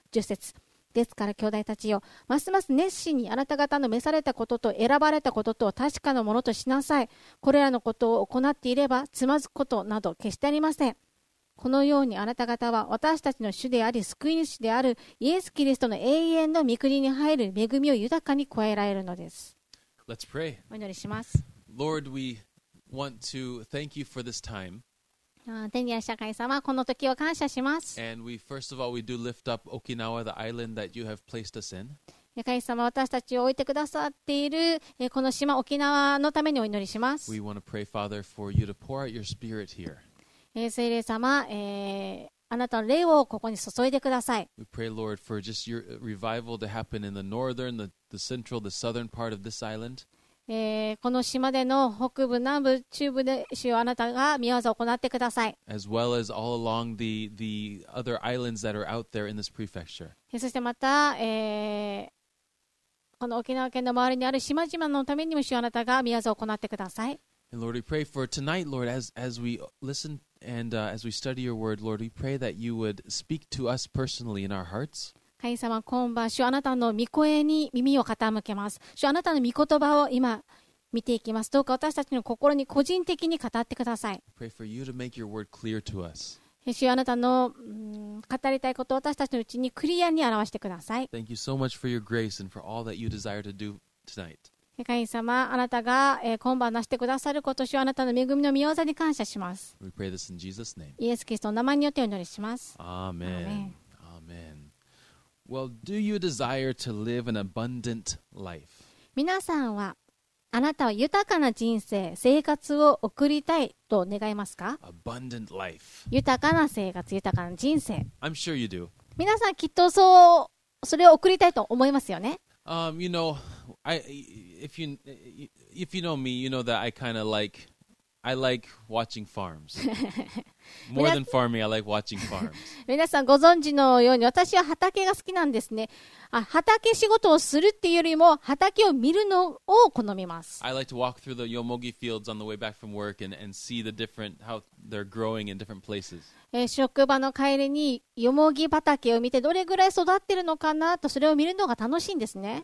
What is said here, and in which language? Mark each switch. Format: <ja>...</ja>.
<ja>10節ですから、兄弟たちよ、ますます熱心にあなた方の召されたことと選ばれたこととを確かなものとしなさい。これらのことを行っていれば、つまずくことなど決してありません。このようにあなた方は私たちの主であり救い主であるイエス・キリストの永遠の御国に入る恵みを豊かに加えられるのです。</ja> <en>Let's pray.</en> <ja>お祈りします。</ja> <en>Lord, we want to thank you for this time.</en> <ja>天にいらっしゃる神様、この時を感謝します。</ja> <en>And we, first of all, we do lift up Okinawa, the island that you have placed us in.</en> <ja>神様、私たちを置いてくださっているこの島、沖縄のためにお祈りします。</ja> <en>We want to pray, Father, for you to pour out your spirit here.</en> <ja>聖霊様、あなたの霊をここに注いでください。</ja> <en>We pray, Lord, for just your revival to happen in the northern, the central, the southern part of this island.</en> <ja>この島での北部、南部、中部で主よ、あなたが御業を行ってください。</ja> <en>As well as all along the other islands that are out there in this prefecture.</en> <ja>そしてまた、この沖縄県の周りにある島々のためにも主よ、あなたが御業を行ってください。</ja> <en>And Lord, we pray for tonight, Lord, as we listen and as we study your word, Lord, we pray that you would speak to us personally in our hearts.</en> <ja>神様、今晩、主あなたの御声に耳を傾けます。主あなたの御言葉を今見ていきます。どうか私たちの心に個人的に語ってください。</ja> <en>Pray for you to make your word clear to us.</en> <ja>主あなたの語りたいことを私たちのうちにクリアに表してください。</ja> <en>Thank you so much for your grace and for all that you desire to do tonight.</en> <ja>神様、あなたが、今晩なしてくださることし、あなたの恵みの御業に感謝します。</ja> <en>We pray this in Jesus' name.</en> <ja>イエス・キリストの名前によってお祈りします。アーメン。アーメン。</ja> <en>Well, do you desire to live an abundant life?</en> <ja>皆さんは、あなたは豊かな人生、生活を送りたいと願いますか？</ja> <en>Abundant life.</en> <ja>豊かな生活、豊かな人生。</ja> <en>I'm sure you do.</en> <ja>皆さん、きっとそう、それを送りたいと思いますよね。</ja> <en>You know, if you know me, you know that I kind of like, I like watching farms. More than farming, I like watching farms.</en> <ja>皆さんご存知のように私は畑が好きなんですね。あ、畑仕事をするっていうよりも畑を見るのを好みます。</ja> <en>I like to walk through the yomogi fields on the way back from work and see the different, how they're growing in different places.</en> <ja>職場の帰りにヨモギ畑を見てどれぐらい育ってるのかなと、それを見るのが楽しいんですね。</ja>